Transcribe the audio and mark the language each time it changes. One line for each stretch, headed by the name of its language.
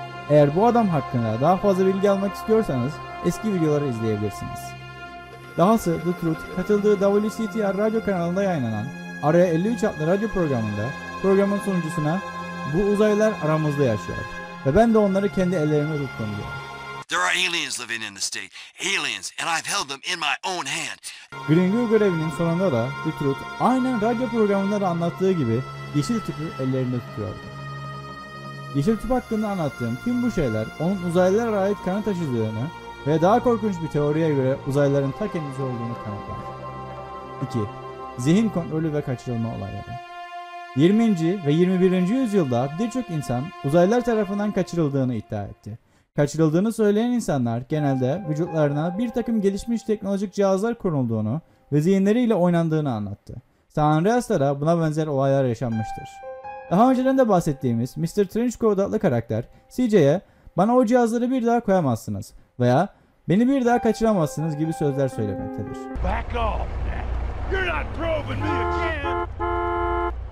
Turkish: Eğer bu adam hakkında daha fazla bilgi almak istiyorsanız eski videoları izleyebilirsiniz. Dahası The Truth katıldığı WCTR radyo kanalında yayınlanan Araya 53 adlı radyo programında programın sunucusuna "Bu uzaylılar aramızda yaşıyor ve ben de onları kendi ellerime tuttum." diyor.
English: There are aliens living in the state. Aliens, and I've held them in my own hand.
Turkish: Gringo görevinin sonunda da Dutrut aynen radyo programında da anlattığı gibi yeşil tüpü ellerinde tutuyordu. Yeşil tüp hakkında anlattığım tüm bu şeyler onun uzaylılara ait kanı taşıdığını ve daha korkunç bir teoriye göre uzaylıların ta kendisi olduğunu kanıtlar. 2. Zihin kontrolü ve kaçırılma olayları. 20. ve 21. yüzyılda birçok insan uzaylılar tarafından kaçırıldığını iddia etti. Kaçırıldığını söyleyen insanlar genelde vücutlarına bir takım gelişmiş teknolojik cihazlar konulduğunu ve zihinleriyle oynandığını anlattı. San Andreas'ta da buna benzer olaylar yaşanmıştır. Daha önceden de bahsettiğimiz Mr. Trenchcoat adlı karakter CJ'ye "Bana o cihazları bir daha koyamazsınız" veya "Beni bir daha kaçıramazsınız" gibi sözler söylemektedir.
English: Back off. You're not probing me again.